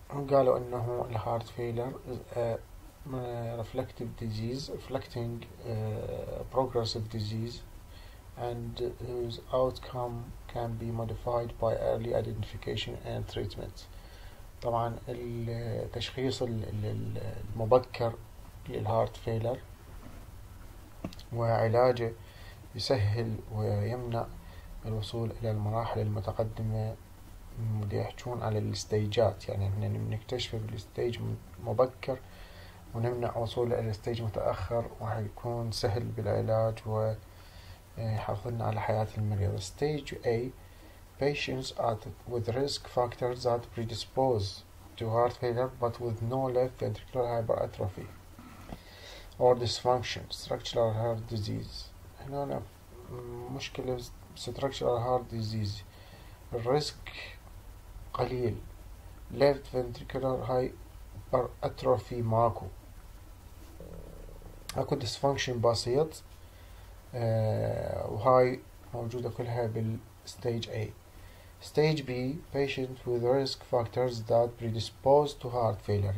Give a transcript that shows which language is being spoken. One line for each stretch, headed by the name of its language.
Arabic: قالوا أنه الهارت فيلر
English: is a reflective disease, reflecting progressive disease, and whose outcome can be modified by early identification and treatment.
Arabic: طبعا التشخيص المبكر للهارت فيلر وعلاجه يسهل ويمنع الوصول إلى المراحل المتقدمة. يحكون على الستيجات، يعني إحنا بنكتشفه بالستيج مبكر ونمنع وصوله إلى الستيج متأخر، وحيكون سهل بالعلاج ويحافظنا على حياة المريض.
English: Stage A patients with risk factors that predispose to heart failure but with no left ventricular hypertrophy or dysfunction, structural heart disease.
Arabic: هنا أنا مشكلة
English: structural heart disease،
Arabic: الريسك قليل،
English: left ventricular hypertrophy
Arabic: ماكو، اكو dysfunction بسيط وهاي موجودة كلها بالستيج A.
English: Stage B patient with risk factors that predispose to heart failure.